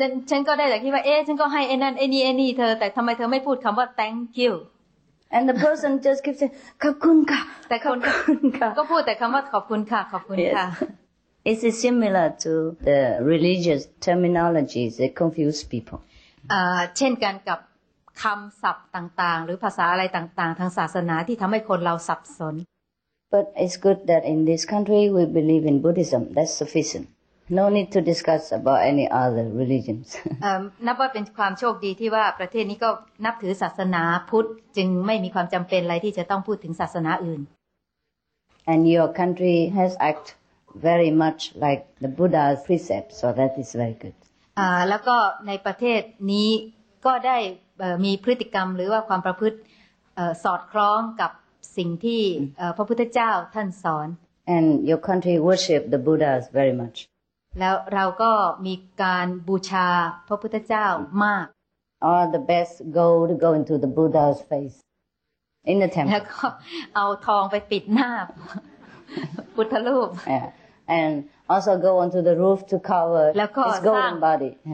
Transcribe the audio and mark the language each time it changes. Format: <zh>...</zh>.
<th>ฉันก็ได้แต่คิดว่าเอ๊ะฉันก็ให้ไอ้นั่นไอ้นี่ไอ้นี่เธอแต่ทำไมเธอไม่พูดคำว่า</th> <en>thank you and the person just keeps saying</en> <th>ขอบคุณค่ะ แต่คนก็พูดแต่คำว่าขอบคุณค่ะขอบคุณค่ะ</th> <en>it is similar to the religious terminologies that confuse people</en> <th>เช่นกันกับคำศัพท์ต่างๆหรือภาษาอะไรต่างๆทางศาสนาที่ทำให้คนเราสับสน</th> <en>but it's good that in this country we believe in Buddhism that's sufficient. No need to discuss about any other religions.</en> <th>นับว่าเป็นความโชคดีที่ว่าประเทศนี้ก็นับถือศาสนาพุทธจึงไม่มีความจำเป็นอะไรที่จะต้องพูดถึงศาสนาอื่น</th> <en>And your country has act very much like the Buddha's precepts, so that is very good.</en> <th>แล้วก็ในประเทศนี้ก็ได้มีพฤติกรรมหรือว่าความประพฤติสอดคล้องกับสิ่งที่พระพุทธเจ้าท่านสอน</th> <en>And your country worship the Buddhas very much.</en> <th>แล้วเราก็มีการบูชาพระพุทธเจ้ามาก</th> <en>All the best gold go into the Buddha's face in the temple</en> <th>แล้วก็เอาทองไปปิดหน้าพุทธรูป</th> <en>yeah. and also go onto the roof to cover his golden body</en>